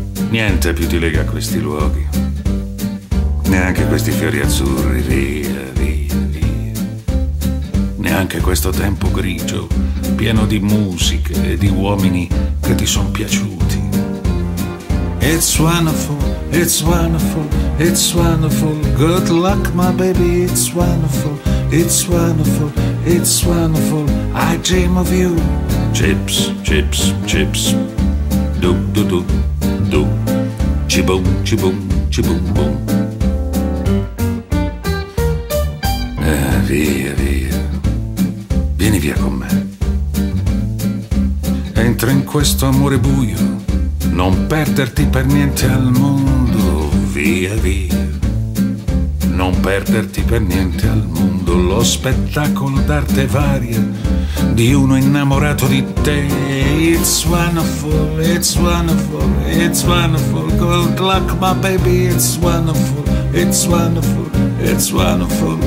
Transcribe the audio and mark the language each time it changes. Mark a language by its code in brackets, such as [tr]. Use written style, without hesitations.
[it] Niente più ti lega a questi luoghi. Neanche questi fiori azzurri. Via, via, via. Neanche questo tempo grigio, pieno di musiche e di uomini che ti son piaciuti. [en] It's wonderful, it's wonderful, it's wonderful. Good luck, my baby, it's wonderful, it's wonderful, it's wonderful. I dream of you. Chips, chips, chips. Do, do, do, do. Chibum, chibum, chibum, boom. [it] Ah, via, via. Vieni via con me. Entra in questo amore buio. Non perderti per niente al mondo, via via. Non perderti per niente al mondo, lo spettacolo d'arte varia di uno innamorato di te. [en] It's wonderful, it's wonderful, it's wonderful. Good luck, my baby, it's wonderful, it's wonderful, it's wonderful.